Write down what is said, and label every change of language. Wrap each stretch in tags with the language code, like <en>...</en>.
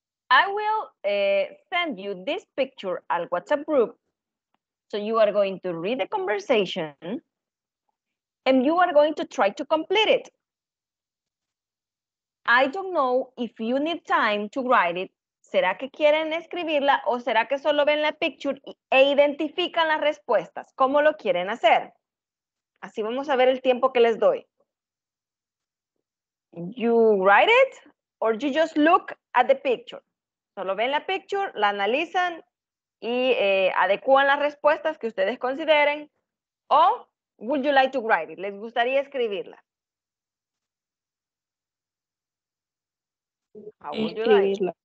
<en>I will send you this picture al WhatsApp group. So you are going to read the conversation and you are going to try to complete it. I don't know if you need time to write it.</en> <es>¿Será que quieren escribirla o será que solo ven la picture e identifican las respuestas? ¿Cómo lo quieren hacer? Así vamos a ver el tiempo que les doy.</es> <en>You write it or you just look at the picture.</en> <es>Solo ven la picture, la analizan y adecúan las respuestas que ustedes consideren.</es> <en>O would you like to write it?</en> <es>¿Les gustaría escribirla?</es> <en>How would you like?</en>